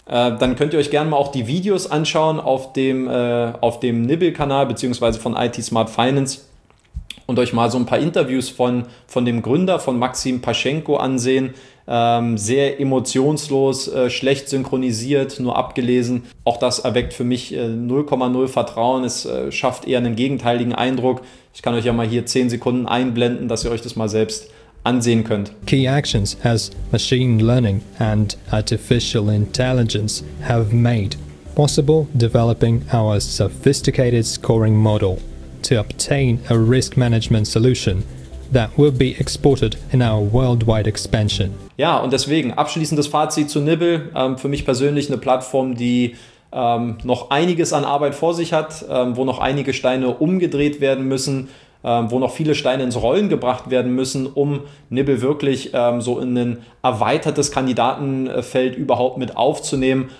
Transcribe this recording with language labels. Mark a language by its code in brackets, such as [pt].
[de] Dann könnt ihr euch gerne mal auch die Videos anschauen auf dem Nibble-Kanal beziehungsweise von IT Smart Finance und euch mal so ein paar Interviews von dem Gründer, von Maxim Paschenko ansehen. Sehr emotionslos, schlecht synchronisiert, nur abgelesen. Auch das erweckt für mich 0,0 Vertrauen. Es schafft eher einen gegenteiligen Eindruck. Ich kann euch ja mal hier 10 Sekunden einblenden, dass ihr euch das mal selbst ansehen könnt. [en] Key actions as machine learning and artificial intelligence have made possible developing our sophisticated scoring model to obtain a risk management solution that will be exported in our worldwide expansion. [de] Ja, und deswegen abschließendes Fazit zu Nibble. Für mich persönlich eine Plattform, die noch einiges an Arbeit vor sich hat, wo noch einige Steine umgedreht werden müssen, wo noch viele Steine ins Rollen gebracht werden müssen, um Nibble wirklich so in ein erweitertes Kandidatenfeld überhaupt mit aufzunehmen.